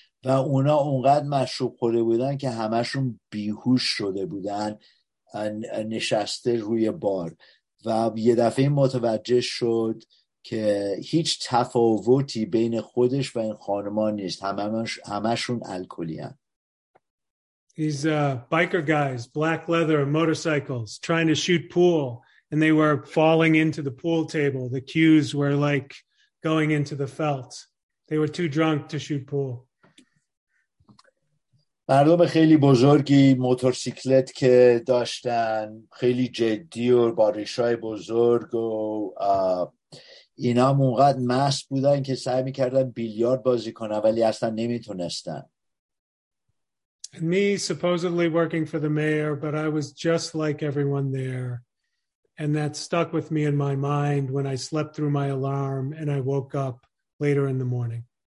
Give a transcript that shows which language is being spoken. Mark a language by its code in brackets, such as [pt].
[fa] و اونا اونقدر مشروب خورده بودن که همشون بیهوش شده بودن نشسته روی بار و یه دفعه متوجه شد که هیچ تفاوتی بین خودش و این خانمان نیست. همشون الکلی هستند. [en] These biker guys, black leather, motorcycles, trying to shoot pool, and they were falling into the pool table. The cues were like going into the felt. They were too drunk to shoot pool. [fa] مردم خیلی بزرگی موتورسیکلت که داشتن خیلی جدی و با ریشای بزرگ و اینا اونقدر مست بودن که سعی میکردن بیلیارد بازی کنن ولی اصلا نمیتونستن. [en] And me supposedly working for the mayor, but I was just like everyone there. And that stuck with me in my mind when I slept through my alarm and I woke up later in the morning.